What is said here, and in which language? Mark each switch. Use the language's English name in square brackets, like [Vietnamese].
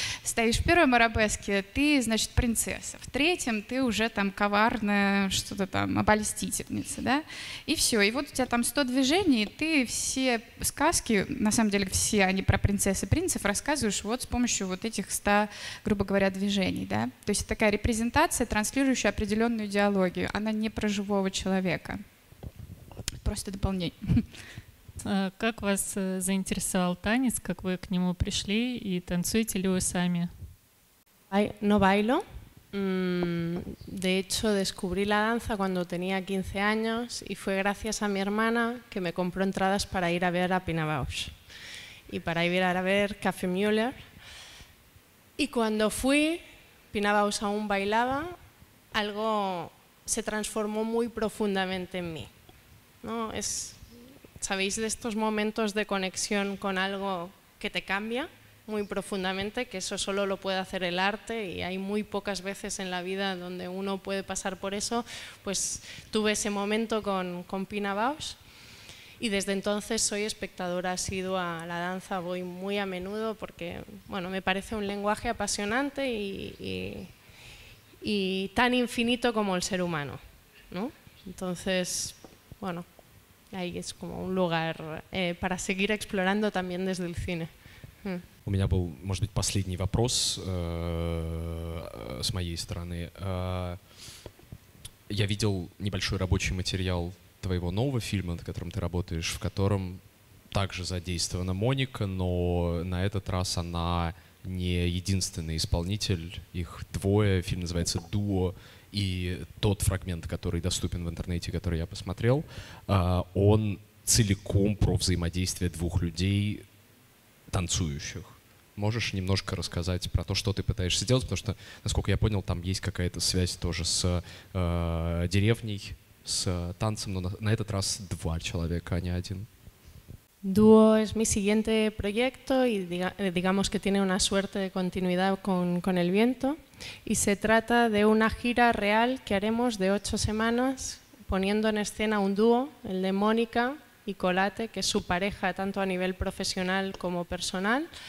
[Russian] Стоишь в первом арабеске, ты, значит, принц. В третьем ты уже там коварная что-то там, обольстительница, да, и все, и вот у тебя там 100 движений, и ты все сказки, на самом деле все они про принцесс и принцев, рассказываешь вот с помощью вот этих 100, грубо говоря, движений, да, то есть такая репрезентация, транслирующая определенную идеологию, она не про живого человека, просто дополнение. Как вас заинтересовал танец, как вы к нему пришли, и танцуете ли вы сами? [Spanish] No bailo. De hecho, descubrí la danza cuando tenía 15 años y fue gracias a mi hermana que me compró entradas para ir a ver a Pina Bausch y para ir a ver Café Müller. Y cuando fui, Pina Bausch aún bailaba, algo se transformó muy profundamente en mí. ¿No? Es, ¿sabéis de estos momentos de conexión con algo que te cambia? Muy profundamente, que eso solo lo puede hacer el arte y hay muy pocas veces en la vida donde uno puede pasar por eso, pues tuve ese momento con Pina Bausch y desde entonces soy espectadora asidua a la danza, voy muy a menudo porque, bueno, me parece un lenguaje apasionante y tan infinito como el ser humano, ¿no? Entonces, bueno, ahí es como un lugar para seguir explorando también desde el cine. [Russian] У меня был, может быть, последний вопрос с моей стороны. Я видел небольшой рабочий материал твоего нового фильма, над которым ты работаешь, в котором также задействована Моника, но на этот раз она не единственный исполнитель, их двое. Фильм называется «Дуо», и тот фрагмент, который доступен в интернете, который я посмотрел, он целиком про взаимодействие двух людей, танцующих. Можешь немножко рассказать про то, что ты пытаешься делать? Потому что, насколько я понял, там есть какая-то связь тоже с деревней, с танцем, но на этот раз два человека, а не один. [Spanish] Duo es mi siguiente proyecto y digamos que tiene una suerte de continuidad con el viento. Y se trata de una gira real que haremos de 8 semanas poniendo en escena un dúo, el de Mónica y Colate, que es su pareja tanto a nivel profesional como personal.